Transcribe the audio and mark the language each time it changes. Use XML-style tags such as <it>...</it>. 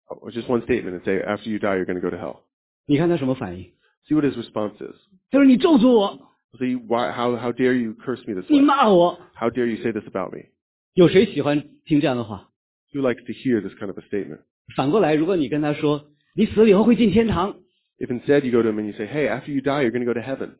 <en>Just one statement and say, after you die, you're going to go to hell.</en> <zh>你看他什么反应。</zh> <en>See what his response is.</en> <zh>他说你咒诅我。</zh> <en>So you, why, how dare you curse me this way?</en> <zh>你骂我。</zh> <en>How dare you say this about me?</en> <zh>有谁喜欢听这样的话？</zh> <en>Who likes to hear this kind of a statement?</en> <zh>反过来，如果你跟他说，你死了以后会进天堂。</zh> <en>If instead you go to him and you say, hey, after you die, you're going to go to heaven.</en>